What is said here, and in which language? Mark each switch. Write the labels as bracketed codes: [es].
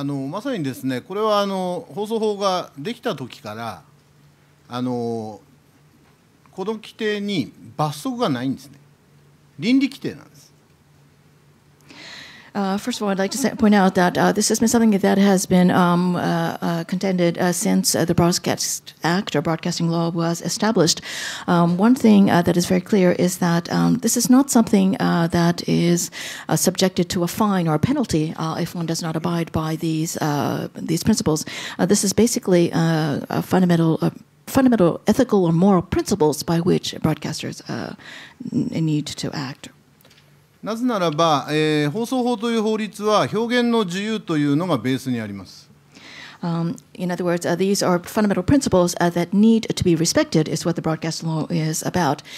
[ja] まさにですね、これは放送法ができた時からこの規定に罰則がないんですね。倫理規定なんです。 [en] First of all, I'd like to point out that this has been something that has been contended since the Broadcast Act or Broadcasting Law was established. One thing that is very clear is that this is not something that is subjected to a fine or a penalty if one does not abide by these principles. This is basically a fundamental fundamental ethical or moral principles by which broadcasters need to act. [ja] なぜならば、放送法という法律は表現の自由というのがベースにあります。 [en] In other words, these are fundamental principles that need to be respected is what the broadcast law is about.